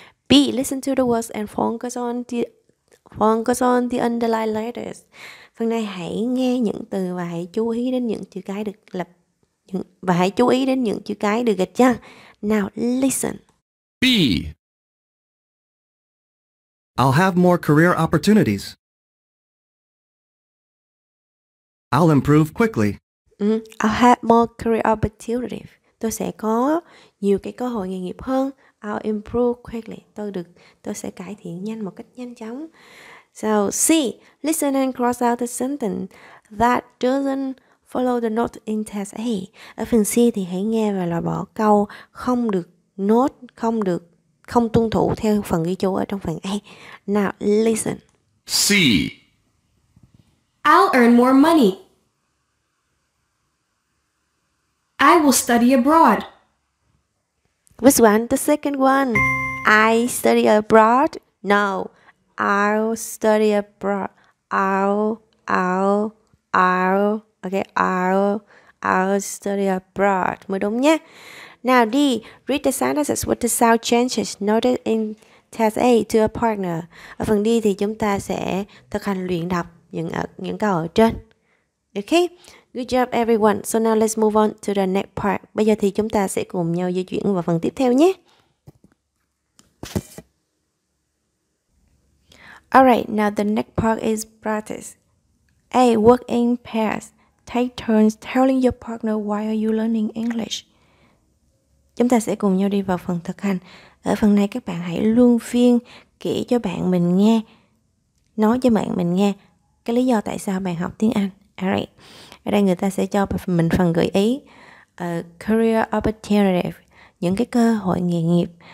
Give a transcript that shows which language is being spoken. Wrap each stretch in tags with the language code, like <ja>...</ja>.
<en>B, listen to the words and focus on the underlined letters.</en> <vi>Phần này hãy nghe những từ và hãy chú ý đến những chữ cái được lập và hãy chú ý đến những chữ cái được gạch chéo.</vi> <en>Now listen. B. I'll have more career opportunities. I'll improve quickly. I'll have more career opportunities.</en> <vi>Tôi sẽ có nhiều cái cơ hội nghề nghiệp hơn.</vi> <en>I'll improve quickly.</en> <vi>Tôi sẽ cải thiện nhanh một cách nhanh chóng.</vi> <en>So C, listen and cross out the sentence that doesn't follow the note in test A.</en> <vi>Ở phần C thì hãy nghe và loại bỏ câu không được note, không tuân thủ theo phần ghi chú ở trong phần A.</vi> <en>Now listen. C. I'll earn more money. I will study abroad. Which one? The second one. I study abroad? No. I'll study abroad. I'll study abroad.</en> <vi>Mới đúng nhé.</vi> <en>Now D. Read the sentences with the sound changes noted in test A to a partner.</en> <vi>Ở phần D thì chúng ta sẽ thực hành luyện đọc những câu ở trên.</vi> <en>Okay? Good job everyone. So now let's move on to the next part.</en> <vi>Bây giờ thì chúng ta sẽ cùng nhau di chuyển vào phần tiếp theo nhé.</vi> <en>Alright, now the next part is practice. A. Work in pairs. Take turns telling your partner why are you learning English.</en> <vi>Chúng ta sẽ cùng nhau đi vào phần thực hành. Ở phần này các bạn hãy luân phiên kể cho bạn mình nghe, nói cho bạn mình nghe cái lý do tại sao bạn học tiếng Anh. Alright, ở đây người ta sẽ cho mình phần gợi ý.</vi> <en>Career opportunity,</en> <vi>những cái cơ hội nghề nghiệp.</vi>